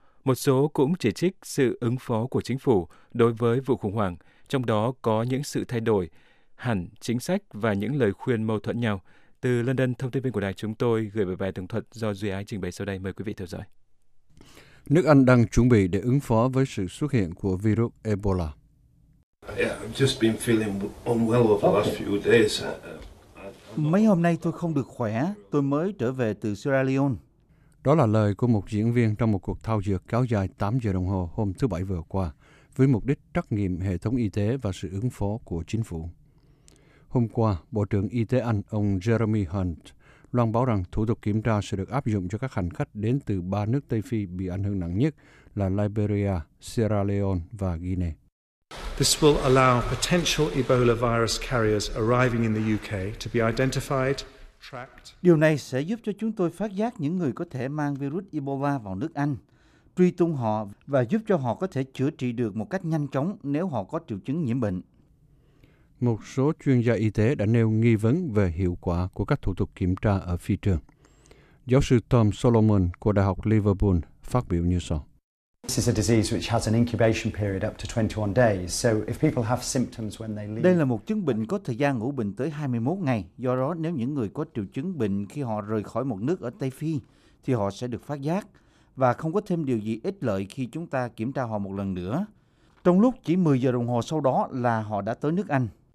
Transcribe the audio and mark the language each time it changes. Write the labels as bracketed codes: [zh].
[vi] Một số cũng chỉ trích sự ứng phó của chính phủ đối với vụ khủng hoảng, trong đó có những sự thay đổi hẳn chính sách và những lời khuyên mâu thuẫn nhau. Từ London, thông tin viên của đài chúng tôi gửi bài tường thuật do Duy Ái trình bày sau đây. Mời quý vị theo dõi. Nước Anh đang chuẩn bị để ứng phó với sự xuất hiện của virus Ebola. [en] Yeah, I've just been feeling unwell over the last few days. [vi] Mấy hôm nay tôi không được khỏe, tôi mới trở về từ Sierra Leone. Đó là lời của một diễn viên trong một cuộc thao dược kéo dài 8 giờ đồng hồ hôm thứ Bảy vừa qua, với mục đích trắc nghiệm hệ thống y tế và sự ứng phó của chính phủ. Hôm qua, Bộ trưởng Y tế Anh, ông Jeremy Hunt, loan báo rằng thủ tục kiểm tra sẽ được áp dụng cho các hành khách đến từ ba nước Tây Phi bị ảnh hưởng nặng nhất là Liberia, Sierra Leone và Guinea. [en] This will allow potential Ebola virus carriers arriving in the UK to be identified, tracked. [vi] Điều này sẽ giúp cho chúng tôi phát giác những người có thể mang virus Ebola vào nước Anh, truy tung họ và giúp cho họ có thể chữa trị được một cách nhanh chóng nếu họ có triệu chứng nhiễm bệnh. Một số chuyên gia y tế đã nêu nghi vấn về hiệu quả của các thủ tục kiểm tra ở phi trường. Giáo sư Tom Solomon của Đại học Liverpool phát biểu như sau. [en] This is a disease which has an incubation period up to 21 days. So if people have symptoms when they leave. [vi] Đây là một chứng bệnh có thời gian ủ bệnh tới 21 ngày. Do đó, nếu những người có triệu chứng bệnh khi họ rời khỏi một nước ở Tây Phi thì họ sẽ được phát giác và không có thêm điều gì ích lợi khi chúng ta kiểm tra họ một lần nữa. Trong lúc chỉ 10 giờ đồng hồ sau đó là họ đã tới nước Anh.